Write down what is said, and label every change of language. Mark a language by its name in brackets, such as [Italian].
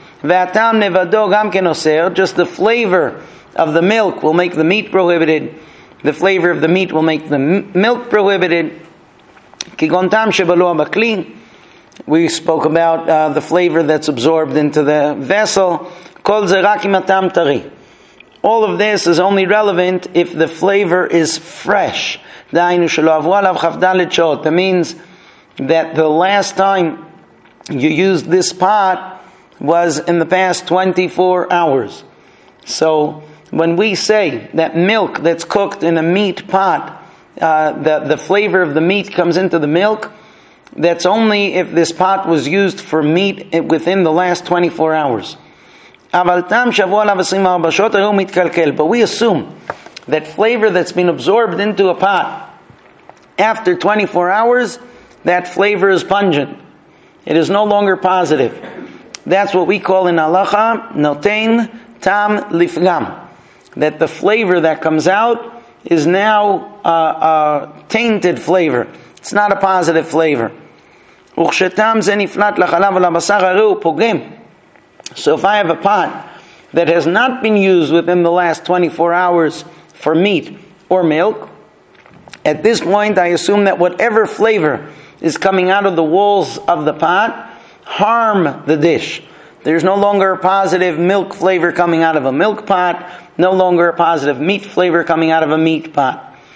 [Hebrew] והטעם נבדו גם כן אוסר, [English] just the flavor of the milk will make the meat prohibited, the flavor of the meat will make the milk prohibited. [Hebrew] כגון טעם שבלוע בכלי, [English] we spoke about the flavor that's absorbed into the vessel. [Hebrew] כל זה רק אם הטעם טרי. [English] All of this is only relevant if the flavor is fresh. [Hebrew] דהיינו שלא עברו עליו חפדלת שעות. [English] That means that the last time you used this pot was in the past 24 hours. So when we say that milk that's cooked in a meat pot, the flavor of the meat comes into the milk, that's only if this pot was used for meat within the last 24 hours. [Hebrew] אבל טעם שעברו עליו 24 שעות הרי הוא מתקלקל. [English] But we assume that flavor that's been absorbed into a pot after 24 hours, that flavor is pungent. It is no longer positive. That's what we call in halacha, [Hebrew] notein tam lifgam. [English] That the flavor that comes out is now a tainted flavor. It's not a positive flavor. [Hebrew] וכשטעם זה נפלט לחלב ולבשר הרי הוא פוגם. [English] So if I have a pot that has not been used within the last 24 hours for meat or milk, at this point I assume that whatever flavor is coming out of the walls of the pot harm the dish. There's no longer a positive milk flavor coming out of a milk pot, no longer a positive meat flavor coming out of a meat pot.